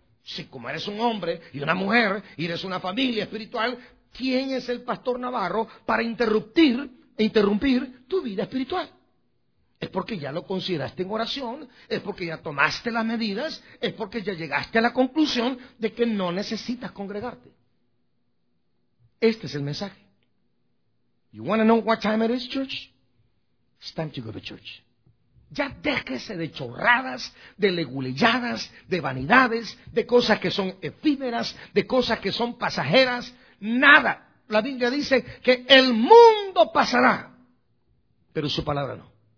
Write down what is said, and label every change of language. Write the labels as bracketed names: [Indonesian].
[Spanish] Si como eres un hombre y una mujer y eres una familia espiritual, ¿quién es el pastor Navarro para interrumpir tu vida espiritual? Es porque ya lo consideraste en oración, es porque ya tomaste las medidas, es porque ya llegaste a la conclusión de que no necesitas congregarte. Este es el mensaje. [English] You want to know what time it is, church? It's time to go to church. [Spanish] Ya déjese de chorradas, de leguleyadas, de vanidades, de cosas que son efímeras, de cosas que son pasajeras. Nada. La Biblia dice que el mundo pasará, pero su palabra no.